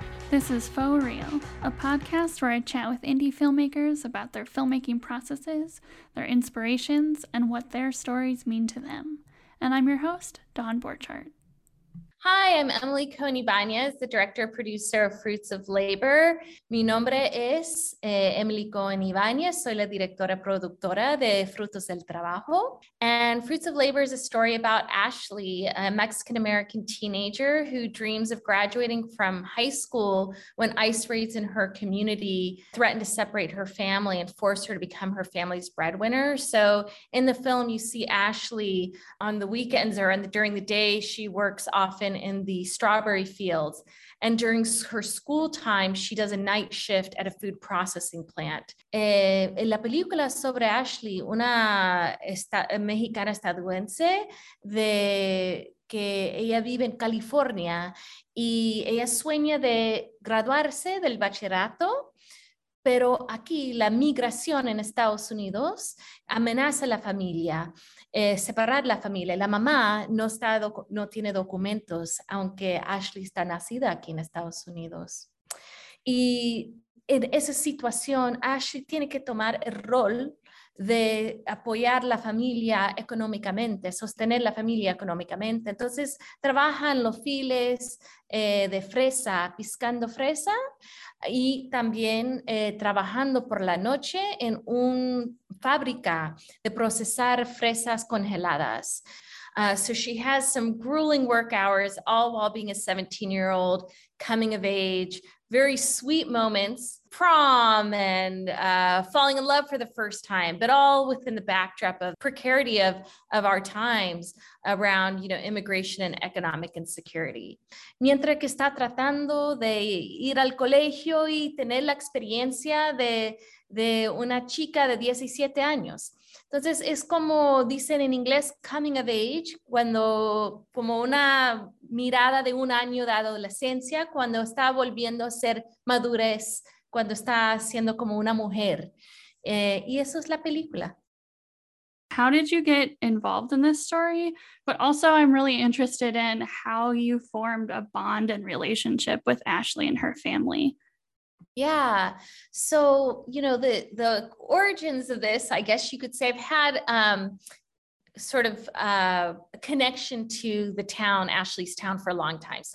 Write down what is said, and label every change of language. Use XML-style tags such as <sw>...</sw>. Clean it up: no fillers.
<en>This is Faux Real, a podcast where I chat with indie filmmakers about their filmmaking processes, their inspirations, and what their stories mean to them. And I'm your host, Dawn Borchardt. Hi, I'm Emily Coney Bañez, the director producer of Fruits of Labor.</en> <es>Mi nombre es Emily Coney Bañez. Soy la directora productora de Frutos del Trabajo.</es> <en>And Fruits of Labor is a story about Ashley, a Mexican-American teenager who dreams of graduating from high school when ICE raids in her community threaten to separate her family and force her to become her family's breadwinner. So in the film, you see Ashley on the weekends or during the day, she works off in the strawberry fields. And during her school time, she does a night shift at a food processing plant.</en> <es>La película sobre Ashley, una mexicana estadounidense de que ella vive en California y ella sueña de graduarse del bachillerato. Pero aquí la migración en Estados Unidos amenaza la familia, separar la familia. La mamá no tiene documentos, aunque Ashley está nacida aquí en Estados Unidos. Y en esa situación, Ashley tiene que tomar el rol de apoyar la familia económicamente, sostener la familia económicamente. Entonces, trabajan los files de fresa, piscando fresa, y también trabajando por la noche en una fábrica de procesar fresas congeladas.</es> <en>So she has some grueling work hours, all while being a 17-year-old, coming of age, very sweet moments, prom and falling in love for the first time, but all within the backdrop of precarity of our times around, you know, immigration and economic insecurity.</en> <es>Mientras que está tratando de ir al colegio y tener la experiencia de una chica de 17 años. Entonces, es como dicen en inglés,</es> <en>coming of age,</en> <es>cuando como una mirada de un año de adolescencia, cuando está volviendo a ser madurez, cuando está siendo como una mujer. Y eso es la película.</es> <en>How did you get involved in this story? But also, I'm really interested in how you formed a bond and relationship with Ashley and her family. Yeah. So, you know, the origins of this, I guess you could say, I've had a connection to the town, Ashley's town, for a long time.</en>